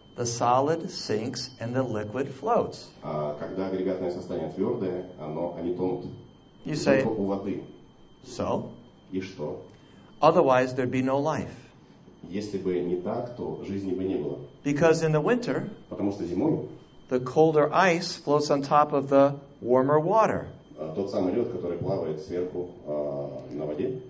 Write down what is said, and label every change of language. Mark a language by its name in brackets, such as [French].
[English] The solid sinks and the liquid floats. [Russian] Когда агрегатное состояние твердое, они тонут. [English] You say, [Russian] у воды. [English] So? [Russian] И что? [English] Otherwise, there'd be no life. [Russian] Если бы не так, то жизни бы не было. [English] Because in the winter, [Russian] потому что зимой, [English] the colder ice floats on top of the warmer water. [Russian] Тот самый лед, который плавает сверху на воде.